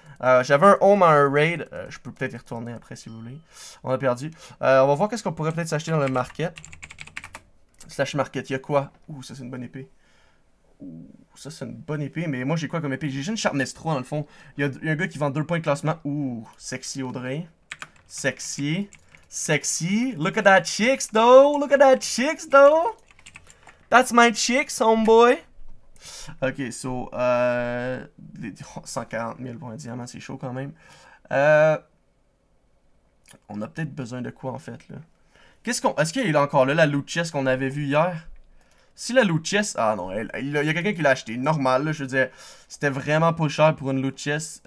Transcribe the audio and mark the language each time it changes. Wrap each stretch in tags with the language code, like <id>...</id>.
<fr>J'avais un home à un raid. Je peux peut-être y retourner après si vous voulez. On a perdu. On va voir qu'est-ce qu'on pourrait peut-être s'acheter dans le market. Slash market, il y a quoi? Ouh, ça c'est une bonne épée. Ouh, ça c'est une bonne épée, mais moi j'ai quoi comme épée? J'ai juste une Sharpness 3 dans le fond. Il y a un gars qui vend 2 points de classement. Ouh, sexy Audrey. Sexy. Sexy.</fr> <en>Look at that chicks though. Look at that chicks though. That's my chicks, homeboy. Ok, so.</en> <fr>140 000 pour un diamant, c'est chaud quand même. On a peut-être besoin de quoi en fait là? Qu'est-ce qu'on. Est-ce qu'il est encore là, la loot chest qu'on avait vue hier? Si la loot chest. Ah non, il y a quelqu'un qui l'a acheté. Normal, là, je veux dire. C'était vraiment pas cher pour une loot chest.</fr>